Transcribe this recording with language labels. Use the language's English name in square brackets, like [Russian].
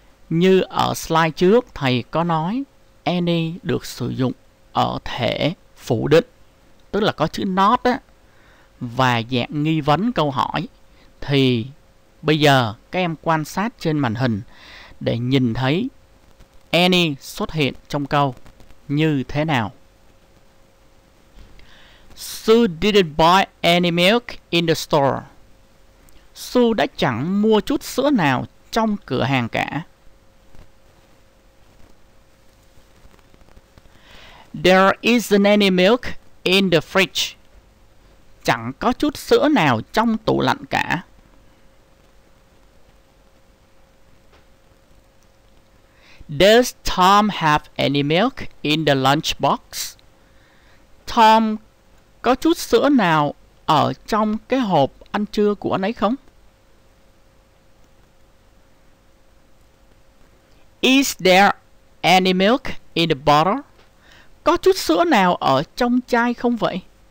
[Vietnamese] Như ở slide trước, thầy có nói any được sử dụng ở thể phủ định, tức là có chữ not á, và dạng nghi vấn câu hỏi. Thì bây giờ các em quan sát trên màn hình để nhìn thấy any xuất hiện trong câu như thế nào. [English] Sue didn't buy any milk in the store. [Vietnamese] Sue đã chẳng mua chút sữa nào trong cửa hàng cả. [English] There isn't any milk in the fridge. [Vietnamese] Chẳng có chút sữa nào trong tủ lạnh cả. [English] Does Tom have any milk in the lunchbox? [Vietnamese] Tom có chút sữa nào ở trong cái hộp ăn trưa của anh ấy không? [English] Is there any milk in the bottle? [Vietnamese] Có chút sữa nào ở trong chai không vậy?